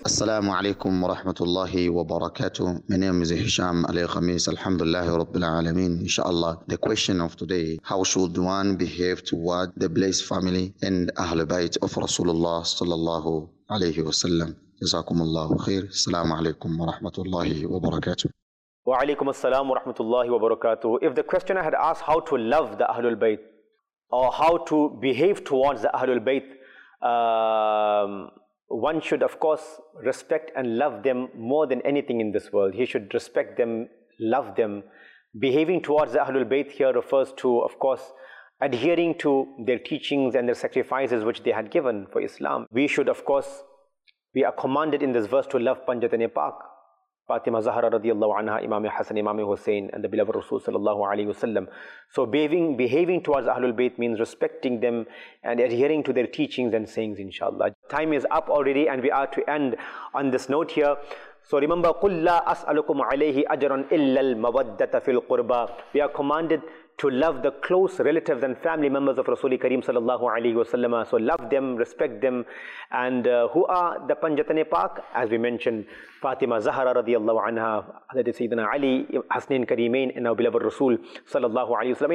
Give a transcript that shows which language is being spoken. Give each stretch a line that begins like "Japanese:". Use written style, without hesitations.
English: Assalamu alaikum wa rahmatullahi wa barakatuh. My name is Hisham Ali Khamis. Alhamdulillah Rabbil Alameen. Inshallah, the question of today, how should one behave toward the blessed family and Ahl Bayt of Rasulullah sallallahu alayhi wa sallam?
Arabic: جزاكم الله خير. السلام عليكم ورحمة الله وبركاته. وعليكم السلام ورحمة الله وبركاته.
English: If the questioner had asked how to love the Ahlul Bayt or how to behave towards the Ahlul Bayt, one should of course respect and love them more than anything in this world. He should respect them, love them. Behaving towards the Ahlul Bayt here refers to, of course, adhering to their teachings and their sacrifices which they had given for Islam. We should, of course, we are commanded in this verse to love Panjatani Pak, Fatima Zahra radiallahu anha, Imam Hassan, Imam Hussein, and the beloved Rasul sallallahu alayhi wa sallam. So behaving towards Ahlul Bayt means respecting them and adhering to their teachings and sayings, inshallah. Time is up already and we are to end on this note here. So remember,
Arabic: قُلْ لَا أَسْأَلُكُمْ عَلَيْهِ أَجْرًا إِلَّا الْمَوَدَّةَ فِي الْقُرْبَى.
English: We are commanded to love the close relatives and family members of Rasooli Kareem sallallahu alayhi wa sallam. So love them, respect them. And who are the Panjatane Pak? As we mentioned, Fatima Zahra radiallahu anha, Sayyidina Ali, Hasnain Kareemain, and our beloved Rasool sallallahu alayhi wa sallam.